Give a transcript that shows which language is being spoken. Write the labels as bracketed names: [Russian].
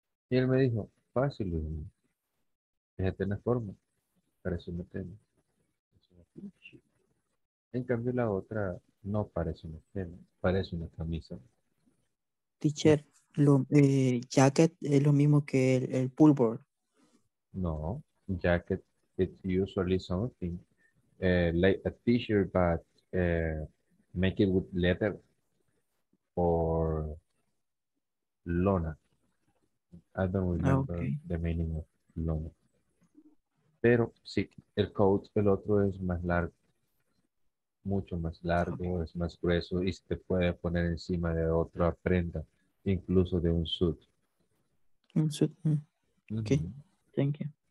[Spanish] Y él me dijo, fácil, ¿no? Fíjate en la forma. Parece una tela. Es una t-shirt. En cambio, la otra no parece una tela. Parece una camisa. Teacher, lo, jacket es lo mismo que el pullover. [English] No, jacket, it's usually something like a t-shirt, but make it with leather or lona. I don't remember the meaning of lona. [Spanish] Pero sí, el coat, el otro es más largo, mucho más largo, es más grueso y se puede poner encima de otra prenda, incluso de un suit. [English] Un suit. Ok, thank you.